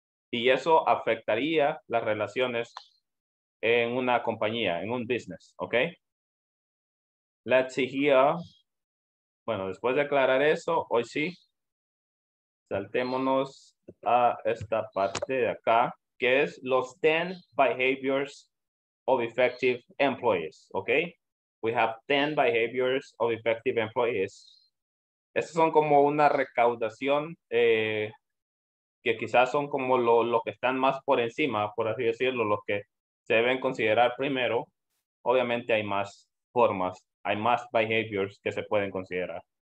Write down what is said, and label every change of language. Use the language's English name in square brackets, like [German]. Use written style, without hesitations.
[Spanish] Y eso afectaría las relaciones en una compañía, en un business, ¿ok? [English] Let's see here. [Spanish] Bueno, después de aclarar eso, hoy sí, saltémonos a esta parte de acá, que es los 10 behaviors of effective employees, ¿ok? [English] We have 10 behaviors of effective employees. [Spanish] Estos son como una recaudación que quizás son como lo que están más por encima, por así decirlo, los que se deben considerar primero. Obviamente hay más formas, hay más behaviors que se pueden considerar.